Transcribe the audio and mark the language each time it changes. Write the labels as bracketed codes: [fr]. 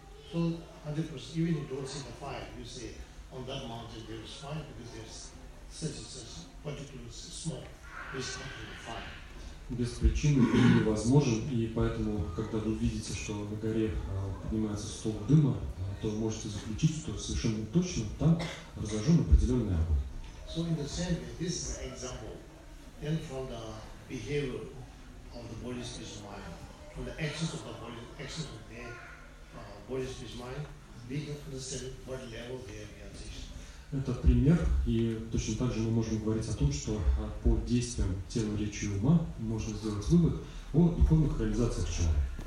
[en] So, 100%, even if you don't see the fire, you say, on that mountain there is fire because there's such particular smoke, there's particular fire. [ru] Без причины дым невозможен, и поэтому, когда вы видите, что на горе поднимается столб дыма, то вы можете заключить, что совершенно точно там разожжен определенный огонь. [en] So in the same way, this is an example. Then from the behavior of the body speech mind, from the actions of the body, actions of the body speech mind, we can understand what level they are in. [ru] Это пример, и точно так же мы можем говорить о том, что по действиям тела, речи и ума можно сделать вывод о духовных реализациях человека.